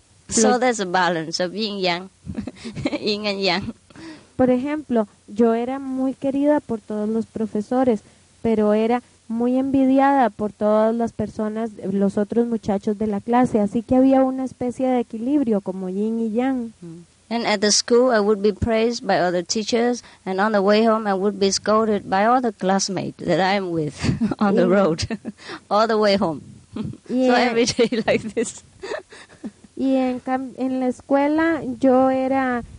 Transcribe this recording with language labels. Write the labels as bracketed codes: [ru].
[en] So there's a balance of yin yang, yin and yang. [es] Por ejemplo, yo era muy querida por todos los profesores, pero era muy envidiada por todas las personas, los otros muchachos de la clase. Así que había una especie de equilibrio como yin y yang. [en] And at the school, I would be praised by other teachers, and on the way home, I would be scolded by all the classmates that I am with on the road, all the way home. Yeah. So every day like this. [es] Y en la escuela, yo era...